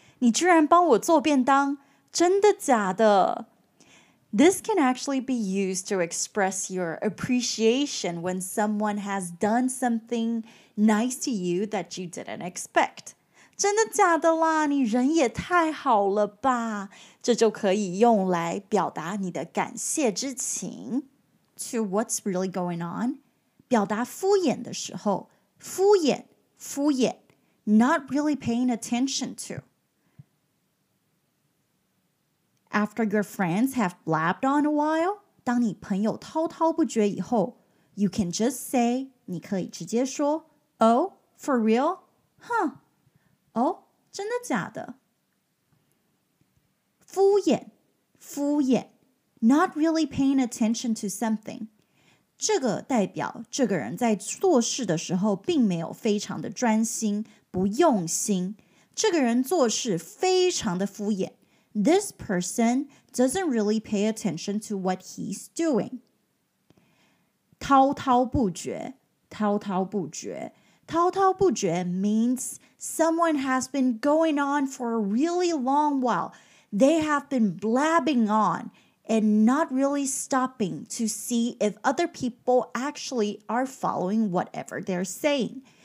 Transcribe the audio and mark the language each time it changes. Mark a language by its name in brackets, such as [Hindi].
[Chinese] 你居然帮我做便当, 真的假的? [English] This can actually be used to express your appreciation when someone has done something nice to you that you didn't expect. [Chinese] 真的假的啦?你人也太好了吧? 这就可以用来表达你的感谢之情. [English] To what's really going on? [Chinese] 表达敷衍的时候, 敷衍, 敷衍, [English] not really paying attention to. after your friends have blabbed on a while, [Chinese] 当你朋友滔滔不绝以后, [English] you can just say, [Chinese] 你可以直接说, [English] Oh, for real? Huh? [Chinese] Oh, 真的假的? 敷衍, 敷衍, [English] not really paying attention to something. [Chinese] 这个代表这个人在做事的时候并没有非常的专心,不用心。这个人做事非常的敷衍。 [English] This person doesn't really pay attention to what he's doing. [Chinese] 滔滔不绝,滔滔不绝。滔滔不绝 [English] means someone has been going on for a really long while. They have been blabbing on and not really stopping to see if other people actually are following whatever they're saying.